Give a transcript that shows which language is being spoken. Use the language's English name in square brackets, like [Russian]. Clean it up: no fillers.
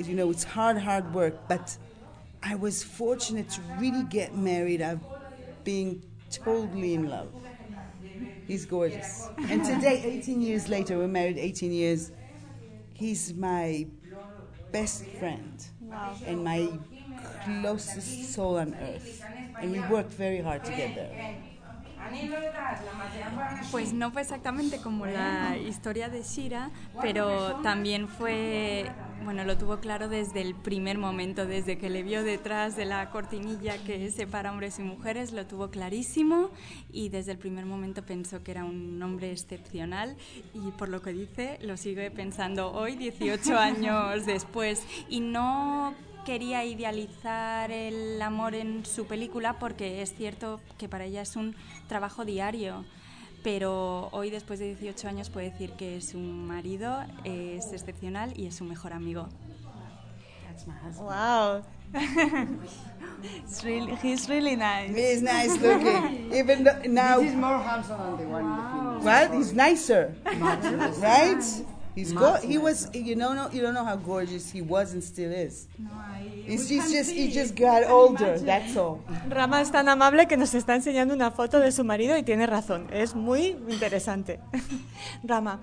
[English] You know, it's hard work. But I was fortunate to really get married of being totally in love. He's gorgeous. And today, 18 years later, we're married 18 years. He's my best friend. Wow. And my closest soul on earth. And we worked very hard to get there. [Spanish] Pues no fue exactamente como la historia de Shira, pero también fue, bueno, lo tuvo claro desde el primer momento, desde que le vio detrás de la cortinilla que separa hombres y mujeres, lo tuvo clarísimo y desde el primer momento pensó que era un hombre excepcional y por lo que dice, lo sigue pensando hoy, 18 años después, y no quería idealizar el amor en su película porque es cierto que para ella es un trabajo diario, pero hoy después de 18 años puede decir que es un marido, es excepcional y es su mejor amigo. [English] Wow. He's really nice. He's nice looking. Even though now he's more handsome than the one. Wow. What? He's nicer. Right? He's he was, you know, no, you don't know how gorgeous he was and still is. He just got older, that's all. [Spanish] Rama es tan amable que nos está enseñando una foto de su marido y tiene razón. Es muy interesante. Rama,